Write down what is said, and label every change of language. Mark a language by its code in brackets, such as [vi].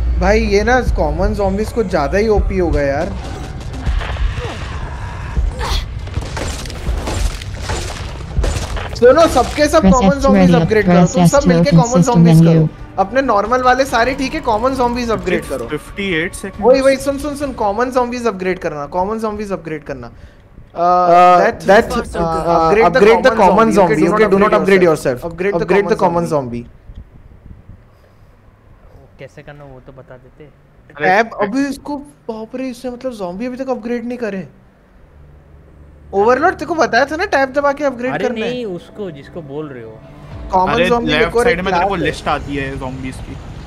[hi] भाई ये ना कॉमन ज़ॉम्बीज को ज्यादा ही ओपी हो गया यार दोनों सबके सब कॉमन ज़ॉम्बीज अपग्रेड करो तुम सब मिलके कॉमन ज़ॉम्बीज करो अपने नॉर्मल वाले सारे ठीक है कॉमन ज़ॉम्बीज अपग्रेड करो 58 सेकंड वही वही सुन सुन सुन कॉमन ज़ॉम्बीज अपग्रेड करना कॉमन ज़ॉम्बीज अपग्रेड करना [en] upgrade the common zombie. Okay, do not upgrade yourself. Upgrade the common zombie. [hi] कैसे करना वो तो बता देते. अब अभी इसको बाप रे इसने मतलब zombie अभी तक upgrade नहीं करे. Overlord तेको बताया था ना tab दबा के upgrade करना. अरे नहीं उसको जिसको बोल रहे हो. [en] Common zombie [hi] देखो side में तेरे को list आती है zombies की.